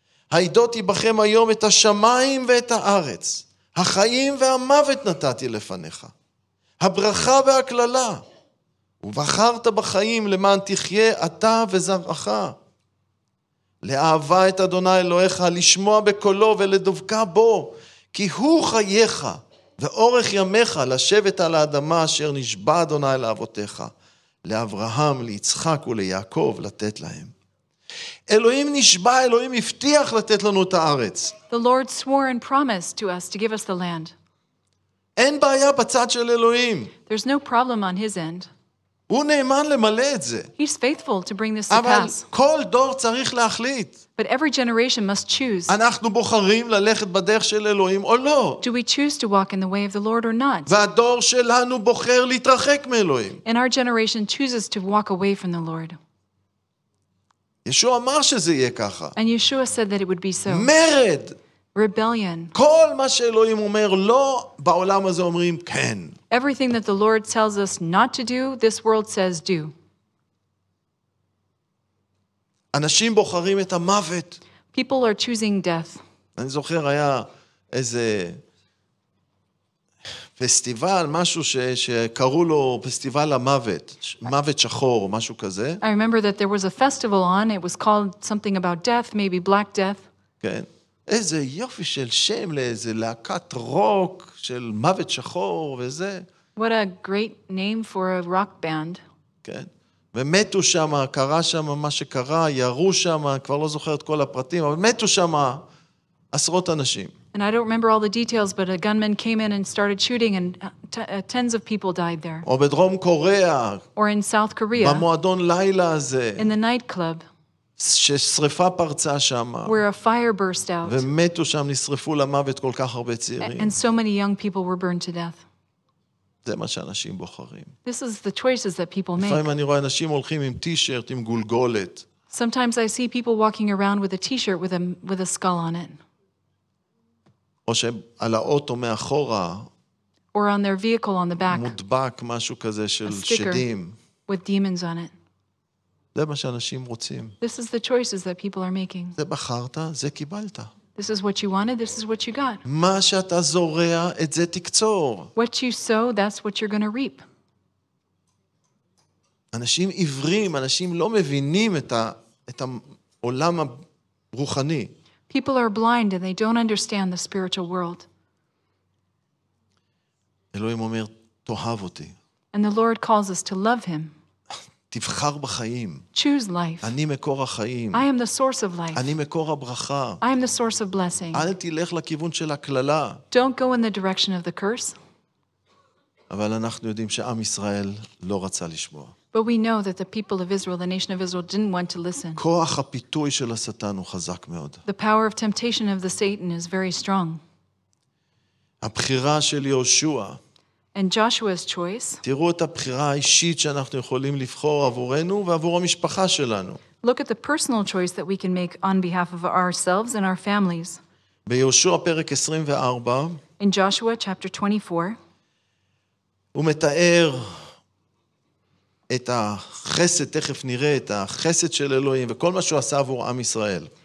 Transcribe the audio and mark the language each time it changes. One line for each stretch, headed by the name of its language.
Hebrew: הידותי בכם היום את השמיים ואת הארץ, החיים והמוות נתתי לפניך, הברכה והכללה, ובחרת בחיים למען תחיה אתה וזרעך, לאהבה את אדוני אלוהיך, לשמוע בקולו ולדבקה בו, כי הוא חייך ואורך ימיך, לשבת על האדמה אשר נשבע אדוני לאבותיך, לאברהם, ליצחק וליעקב, לתת להם. אלוהים נשבע, אלוהים הבטיח לתת לנו את הארץ.
English: The Lord swore and promised to us to give us the land.
Hebrew: אין בעיה בצד של אלוהים.
English: There's no problem on his end.
Hebrew: הוא נאמן למלא את זה.
English: He's faithful to bring this to pass.
Hebrew: אבל כל דור צריך להחליט.
English: But every generation must choose.
Hebrew: אנחנו בוחרים ללכת בדרך של אלוהים או לא.
English: Do we choose to walk in the way of the Lord or not?
Hebrew: והדור שלנו בוחר להתרחק מאלוהים.
English: And our generation chooses to walk away from the Lord.
Hebrew: ישוע אמר שזה יהיה ככה.
English: And Yeshua said that it would be so.
Hebrew: מרד.
English: Rebellion.
Hebrew: כל מה שאלוהים אומר לא, בעולם הזה אומרים כן.
English: Everything that the Lord tells us not to do, this world says do.
Hebrew: אנשים בוחרים את המוות.
English: People are choosing death.
Hebrew: אני זוכר היה איזה פסטיבל, משהו שקראו לו פסטיבל המוות, מוות שחור, משהו כזה.
English: I remember that there was a festival on, it was called something about death, maybe black death.
Hebrew: כן. איזה יופי של שם לאיזה להקת רוק של מוות שחור וזה.
English: What a great name for a rock band.
Hebrew: כן. ומתו שם, קרה שם מה שקרה, ירו שם, כבר לא זוכר את כל הפרטים, אבל מתו שם עשרות אנשים.
English: And I don't remember all the details, but a gunman came in and started shooting and tens of people died there.
Hebrew: או בדרום קוריאה.
English: Or in South Korea.
Hebrew: במועדון לילה הזה.
English: In the nightclub.
Hebrew: ששריפה פרצה שם.
English: Where a fire burst out.
Hebrew: ומתו שם, נשרפו למוות כל כך הרבה צעירים.
English: And so many young people were burned to death.
Hebrew: זה מה שאנשים בוחרים.
English: This is the choices that people make.
Hebrew: לפעמים אני רואה אנשים הולכים עם טי-שירט, עם גולגולת.
English: Sometimes I see people walking around with a t-shirt with a skull on it.
Hebrew: או שעל האוטו מאחורה
English: or on their vehicle on the back
Hebrew: מודבק משהו כזה של שדים
English: with demons on it.
Hebrew: זה מה שאנשים רוצים.
English: This is the choices that people are making.
Hebrew: זה בחרת, זה קיבלת.
English: This is what you wanted, this is what you got.
Hebrew: מה שאתה זורע, את זה תקצור.
English: What you sow, that's what you're going to reap.
Hebrew: אנשים עיוורים, אנשים לא מבינים את העולם הרוחני.
English: People are blind and they don't understand the spiritual world.
Hebrew: אלוהים אומר, תאהב אותי.
English: And the Lord calls us to love him.
Hebrew: תבחר בחיים.
English: Choose life.
Hebrew: אני מקור החיים.
English: I am the source of life.
Hebrew: אני מקור הברכה.
English: I am the source of blessing.
Hebrew: אל תלך לכיוון של הכללה.
English: Don't go in the direction of the curse.
Hebrew: אבל אנחנו יודעים שעם ישראל לא רצה לשמוע.
English: But we know that the people of Israel, the nation of Israel, didn't want to listen.
Hebrew: כוח הפיתוי של השטן הוא חזק מאוד.
English: The power of temptation of the Satan is very strong.
Hebrew: הבחירה של יהושע.
English: And Joshua's choice.
Hebrew: תראו את הבחירה האישית שאנחנו יכולים לבחור עבורנו ועבור המשפחה שלנו.
English: Look at the personal choice that we can make on behalf of ourselves and our families.
Hebrew: ביהושע פרק 24.
English: In Joshua chapter 24.
Hebrew: הוא מתאר את החסד, תכף נראה את החסד של אלוהים וכל מה שהוא עשה עבור עם ישראל.